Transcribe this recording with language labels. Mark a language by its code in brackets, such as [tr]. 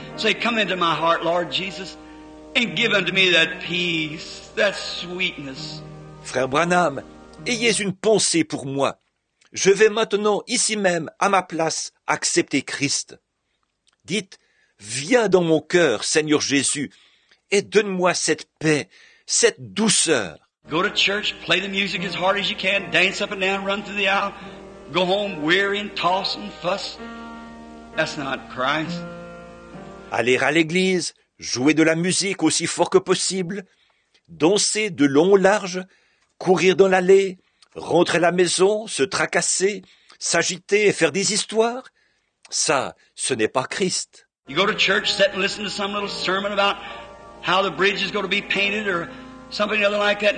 [en] Say, come into my heart, Lord Jesus, and give unto me that peace, that sweetness. [fr] Frère Branham, ayez une pensée pour moi. Je vais maintenant, ici même, à ma place, accepter Christ. Dites, viens dans mon cœur, Seigneur Jésus, et donne-moi cette paix, cette douceur. [en] Go to church, play the music as hard as you can, dance up and down, run through the aisle, go home weary and toss and fuss. That's not Christ. [fr] Aller à l'église, jouer de la musique aussi fort que possible, danser de long au large, courir dans l'allée, rentrer à la maison, se tracasser, s'agiter et faire des histoires, ça, ce n'est pas Christ. [en] You go to church, sit and listen to some little sermon about how the bridge is going to be painted or something other like that.